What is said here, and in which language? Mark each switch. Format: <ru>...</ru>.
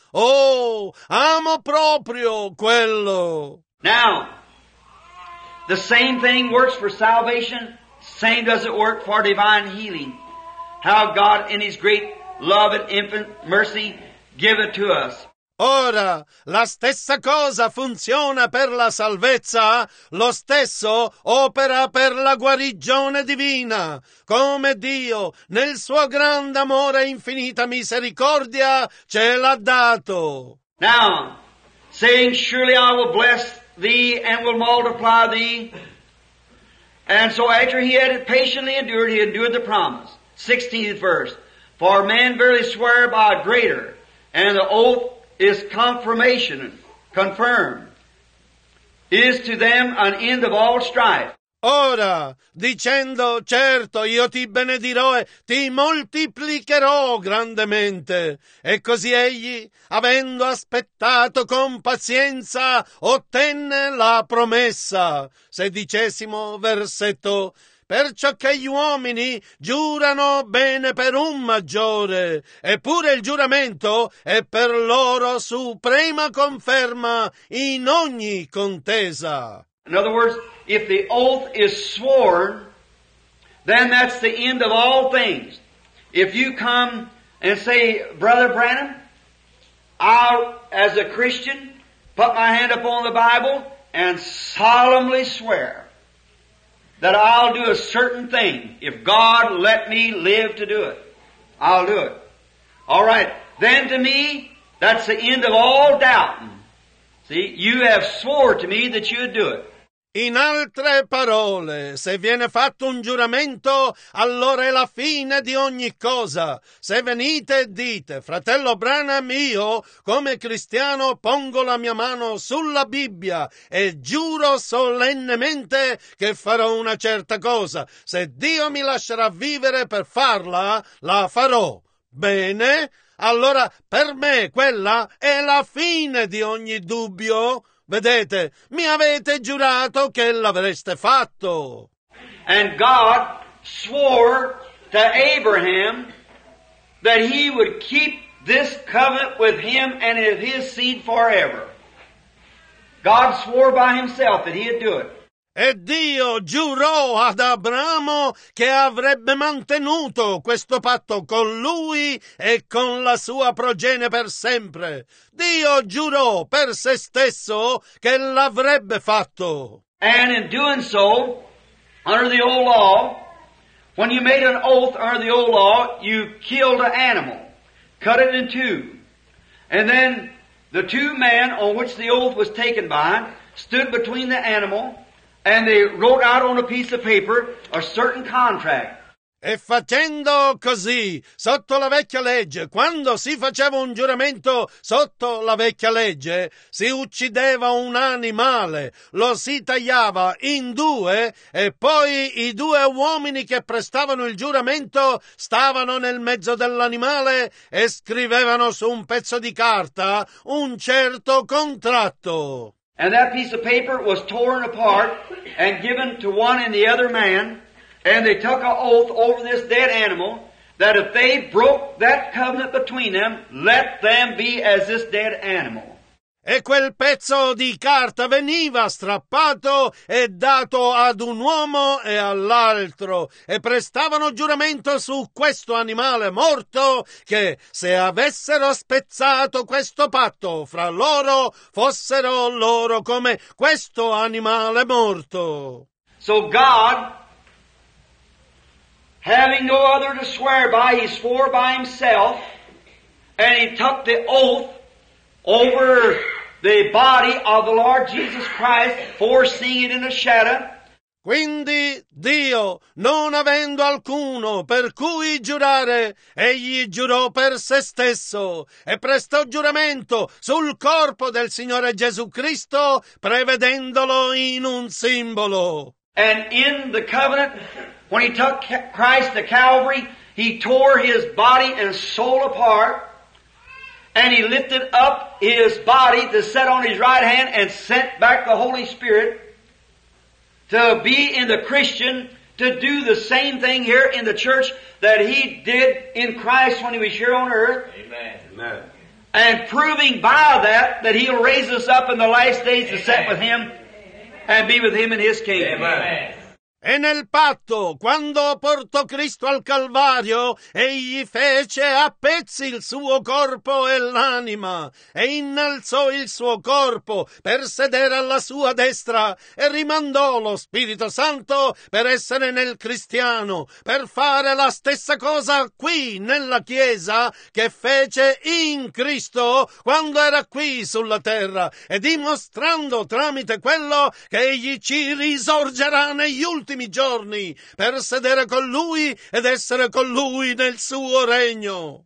<it>Oh, amo proprio quello.</it> <en>Now, the same thing works for salvation, same does it work for divine healing. How God in His great love and infinite mercy give it to us.</en> <it>Ora, la stessa cosa funziona per la salvezza, lo stesso opera per la guarigione divina, come Dio, nel suo grande amore e infinita misericordia, ce l'ha dato.</it> <en>Now, saying, surely I will bless thee and will multiply thee. And so after he had patiently endured, he endured the promise. 16th verse. For man verily swear by greater, and the oath is confirmation, confirmed, is to them an end of all strife.</en> <it>Ora, dicendo, certo, io ti benedirò e ti moltiplicherò grandemente. E così egli, avendo aspettato con pazienza, ottenne la promessa. 16° versetto. Perciò che gli uomini giurano bene per un maggiore, eppure il giuramento è per loro suprema conferma in ogni contesa.</it> <en>In other words, if the oath is sworn, then that's the end of all things. If you come and say, Brother Branham, I'll, as a Christian, put my hand upon the Bible and solemnly swear that I'll do a certain thing if God let me live to do it. I'll do it. All right. Then to me, that's the end of all doubting. See, you have swore to me that you'd do it.</en> <it>In altre parole, se viene fatto un giuramento, allora è la fine di ogni cosa. Se venite e dite, fratello Branham, io, come cristiano, pongo la mia mano sulla Bibbia e giuro solennemente che farò una certa cosa. Se Dio mi lascerà vivere per farla, la farò. Bene, allora per me quella è la fine di ogni dubbio. Vedete, mi avete giurato che l'avreste fatto.</it> <en>And God swore to Abraham that he would keep this covenant with him and his seed forever. God swore by himself that he'd do it.</en> <it>E Dio giurò ad Abramo che avrebbe mantenuto questo patto con lui e con la sua progenie per sempre. Dio giurò per se stesso che l'avrebbe fatto.</it> <en>And in doing so, under the old law, When you made an oath under the old law, you killed an animal, cut it in two, and then the two men on which the oath was taken by stood between the animal, and they wrote out on a piece of paper a certain contract.</en> <it>E facendo così, sotto la vecchia legge, quando si faceva un giuramento sotto la vecchia legge, si uccideva un animale, lo si tagliava in due e poi i due uomini che prestavano il giuramento stavano nel mezzo dell'animale e scrivevano su un pezzo di carta un certo contratto.</it> <en>And that piece of paper was torn apart and given to one and the other man. And they took an oath over this dead animal that if they broke that covenant between them, let them be as this dead animal.</en> <it>E quel pezzo di carta veniva strappato e dato ad un uomo e all'altro, e prestavano giuramento su questo animale morto che se avessero spezzato questo patto fra loro, fossero loro come questo animale morto.</it> <en>So God, having no other to swear by, he swore by himself, and he took the oath over the body of the Lord Jesus Christ, foreseeing it in a shadow.</en> <it>Quindi Dio, non avendo alcuno per cui giurare, egli giurò per se stesso e prestò giuramento sul corpo del Signore Gesù Cristo, prevedendolo in un simbolo.</it> <en>And in the covenant, when he took Christ to Calvary, he tore his body and soul apart, and he lifted up his body to sit on his right hand and sent back the Holy Spirit to be in the Christian, to do the same thing here in the church that he did in Christ when he was here on earth. Amen. And proving by that he'll raise us up in the last days to sit with him and be with him in his kingdom. Amen.</en> <it>E nel patto, quando portò Cristo al Calvario, egli fece a pezzi il suo corpo e l'anima, e innalzò il suo corpo per sedere alla sua destra, e rimandò lo Spirito Santo per essere nel cristiano, per fare la stessa cosa qui nella Chiesa che fece in Cristo quando era qui sulla terra, e dimostrando tramite quello che egli ci risorgerà negli ultimi giorni per sedere con lui ed essere con lui nel suo regno.</it>